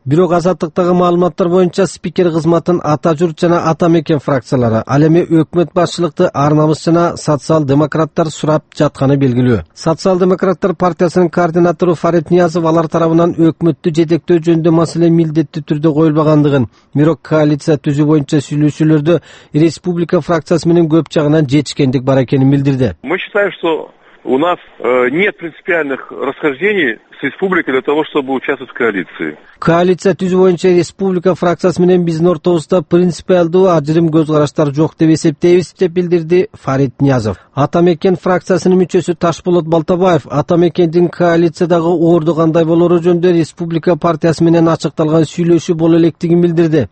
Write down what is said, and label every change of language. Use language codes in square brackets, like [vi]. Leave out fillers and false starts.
[ky] Бирок Азаттыктагы маалыматтар боюнча спикер кызматын Ата Журт жана Ата Мекен фракциялары, ал эми өкмөт башчылыкты Ар Намыс жана Социал Демократтар сурап жатканы белгилүү. Социал Демократтар партиясынын координатору Фарид Ниязов алар тарабынан өкмөттү жетектөө жөнүндө маселе милдеттүү түрдө коюлбагандыгын, бирок коалиция түзүү боюнча сүйлөшүүлөрдө Республика фракциясы менен көп жагынан жетишкен бар экенин билдирди. [ru] Мы считаем, что у нас нет принципиальных расхождений с республикой для того, чтобы участвовать в коалиции. [ky] Коалиция түзүү боюнча республика фракциясы менен биздин ортобузда принципиалдуу ажырым көз караштар жок деп эсептейбиз, деп билдирди Фарид Ниязов. Ата Мекен фракциясынын мүчөсү Ташболот Балтабаев Ата Мекендин коалициядагы орду кандай болору жөнүндө республика партиясы менен ачыкталган сүйлөшүү боло электигин билдирди.